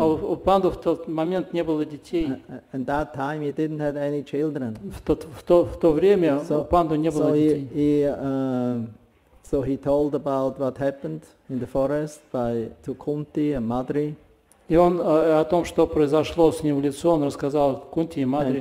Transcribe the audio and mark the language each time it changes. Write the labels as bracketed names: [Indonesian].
[Russian] У Панду в тот момент не было детей. [English] In that time he didn't have any children. [Russian] В то время у Панду не было детей. [English] So he told about what happened in the forest to Kunti and Madri. [Russian] И он о том, что произошло с ним в лицо, он рассказал Кунти и Мадри.